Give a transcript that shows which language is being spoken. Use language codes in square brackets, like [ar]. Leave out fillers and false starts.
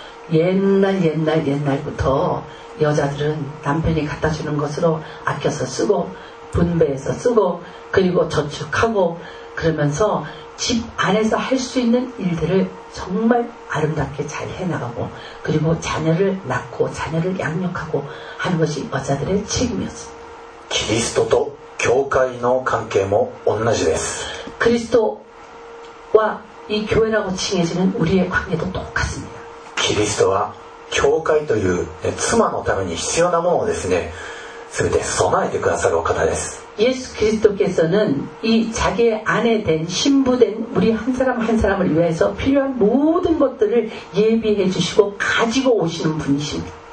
[ko] 옛날옛날옛날부터여자들은남편이갖다주는것으로아껴서쓰고분배해서쓰고그리고저축하고그러면서집안에서할수있는일들을정말아름답게잘해나가고그리고자녀를낳고자녀를양육하고하는것이여자들의책임이었어요 [ja] キリストと教会の関係も同じです [ko] 그리스도와이교회라고칭해지는우리의관계도똑같습니다 [ja] キリストは教会という、ね、妻のために必要なものをですね、すべて備えてくださるお方です。 [ko] イエス・キリスト께서는이자기의아내된신부된우리한사람한사람을위해서필요한모든것들을예비해주시고가지고오시는분이십니다。